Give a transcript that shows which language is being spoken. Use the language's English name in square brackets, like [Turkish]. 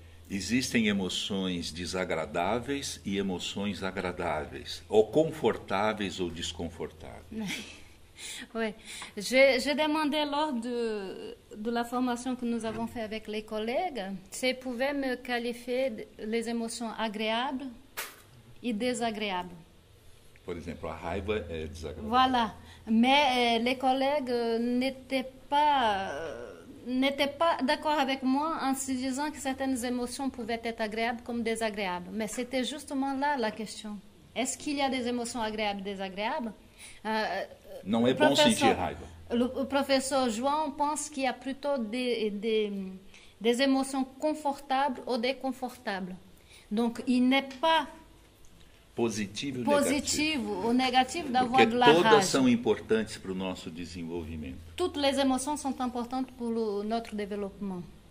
[Portuguese] Existem emoções desagradáveis e emoções agradáveis, ou confortáveis ou desconfortáveis. [French] Oui. J'ai demandé lors de la formation que nous avons fait avec les collègues s'ils pouvaient me qualifier les émotions agréables et désagréables. [Portuguese] Por exemplo, a raiva é desagradável. [French] Voilà. Mais les collègues n'étaient pas d'accord avec moi en se disant que certaines émotions pouvaient être agréables comme désagréables. Mais c'était justement là la question. Est-ce qu'il y a des émotions agréables et désagréables? Non, c'est bon [Portuguese] sentir raiva. [French] Le professeur João pense qu'il y a plutôt des émotions confortables ou déconfortables. Donc, il n'est pas... [Portuguese] Positivo ou negativo da voz [French] de la rage. [Portuguese] Todas são importantes para o nosso desenvolvimento. [French] Toutes les émotions sont importantes pour notre développement.